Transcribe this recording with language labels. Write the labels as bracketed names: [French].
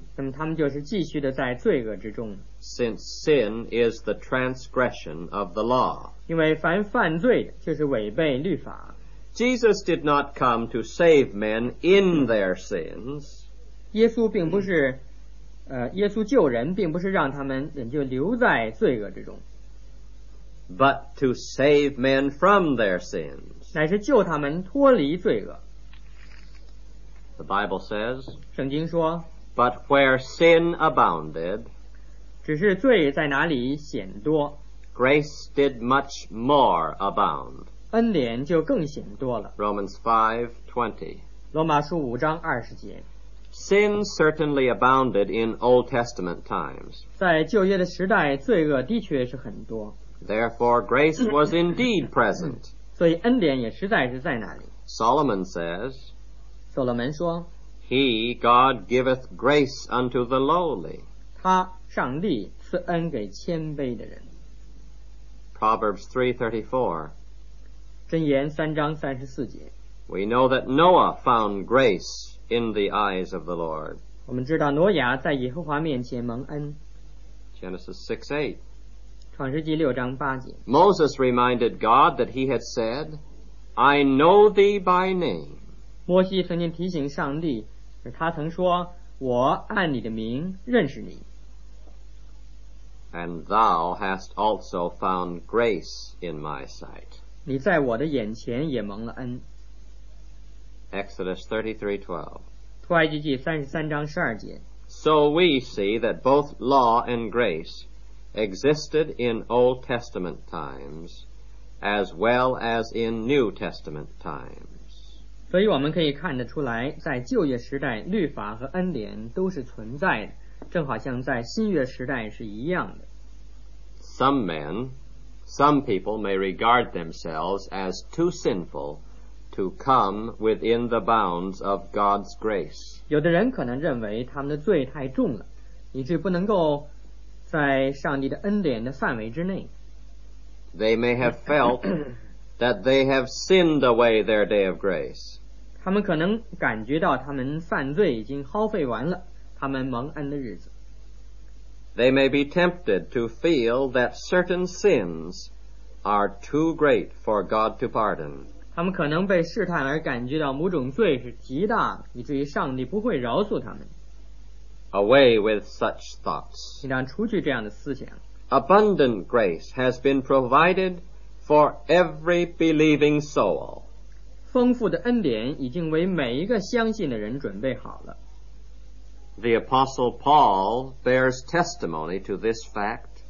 [Chinese] 那么他们就是继续地在罪恶之中。 [English] Since sin is the transgression of the law. [Chinese] 因为凡犯罪的就是违背律法。 [English] Jesus did not come to save men in their sins. [Chinese] 耶稣并不是耶稣救人并不是让他们就留在罪恶之中。 [English] But to save men from their sins. [Chinese] 乃是救他们脱离罪恶。 [English] The Bible says, [Chinese] 圣经说， [English] But where sin abounded, [Chinese] 只是罪在哪里显多， [English] Grace did much more abound. [Chinese] 恩典就更显多了。 [English] Romans 5:20. [Chinese] 罗马书五章二十节。 [English] Sin certainly abounded in Old Testament times. [Chinese] 在旧约的时代罪恶的确是很多。 [English] Therefore grace was indeed present. [Chinese] 所以恩典也实在是在那里。 [English] Solomon says, [Chinese] 所罗门说， [English] He, God, giveth grace unto the lowly. [Chinese] 他上帝赐恩给谦卑的人。 [English] Proverbs 3:34. [Chinese] 箴言三章三十四节。 [English] We know that Noah found grace in the eyes of the Lord. [Chinese] 我们知道挪亚在耶和华面前蒙恩。 [English] Genesis 6:8. [Chinese] 创世纪六章八节。 [English] Moses reminded God that he had said, I know thee by name. [Chinese] 摩西曾经提醒上帝，他曾说，我按你的名认识你。 [English] And thou hast also found grace in my sight. [Chinese] 你在我的眼前也蒙了恩。 [English] Exodus 33:12. [Chinese] 出埃及记33:12. [English] So we see that both law and grace existed in Old Testament times as well as in New Testament times. [Chinese] 所以我们可以看得出来，在旧约时代，律法和恩典都是存在的，正好像在新约时代是一样的。 [English] Some people may regard themselves as too sinful to come within the bounds of God's grace. [Chinese] 有的人可能认为他们的罪太重了，以致不能够在上帝的恩典的范围之内。 [English] They may have felt that they have sinned away their day of grace. [Chinese] 他们可能感觉到他们犯罪已经耗费完了他们蒙恩的日子。 [English] They may be tempted to feel that certain sins are too great for God to pardon. [Chinese] 他们可能被试探而感觉到某种罪是极大，以至于上帝不会饶恕他们。 [English] Away with such thoughts. [Chinese] 你让除去这样的思想。 [English] Abundant grace has been provided for every believing soul. [Chinese] 丰富的恩典已经为每一个相信的人准备好了。 [English] The Apostle Paul bears testimony to this fact.